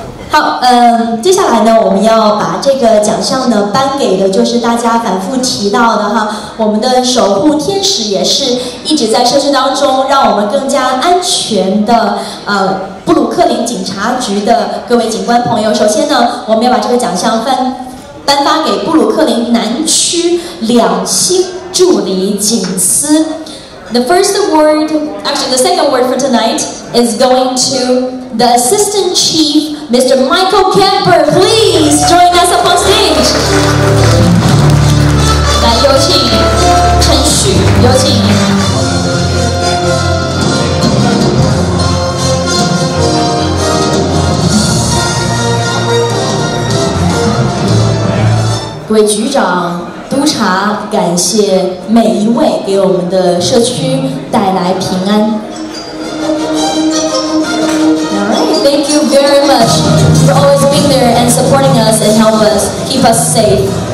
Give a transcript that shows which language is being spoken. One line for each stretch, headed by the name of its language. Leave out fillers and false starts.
Chinese: 好，接下来呢，我们要把这个奖项呢颁给的，就是大家反复提到的哈，我们的守护天使，也是一直在社区当中让我们更加安全的布鲁克林警察局的各位警官朋友。首先呢，我们要把这个奖项颁发给布鲁克林南区两栖助理警司。
English: The first award, actually the second award for tonight, is going to the assistant chief, Mr. Michael Kemper. Please join us up on stage.
Chinese: 来，有请陈许，有请。各位局长、督察，感谢每一位给我们的社区带来平安。
English: Alright, thank you very much for always being there and supporting us and help us keep us safe.